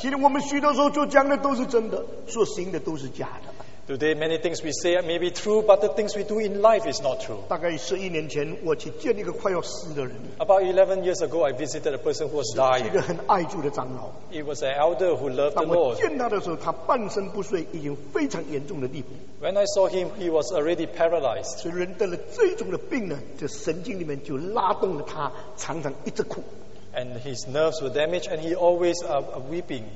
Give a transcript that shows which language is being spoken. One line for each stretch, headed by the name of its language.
Chinese: 今天我们许多时候所讲的都是真的，所行的都是假的。
English: Today many things we say may be true, but the things we do in life is not true.
Chinese: 大概十一年前，我去见一个快要死的人。
English: About 11 years ago, I visited a person who was dying.
Chinese: 一个很爱主的长老。
English: He was an elder who loved the Lord.
Chinese: 当我见他的时候，他半身不遂，已经非常严重的地步。
English: When I saw him, he was already paralyzed.
Chinese: 所以人得了这种的病呢，这神经里面就拉动了他，常常一直哭。
English: And his nerves were damaged, and he always weeping.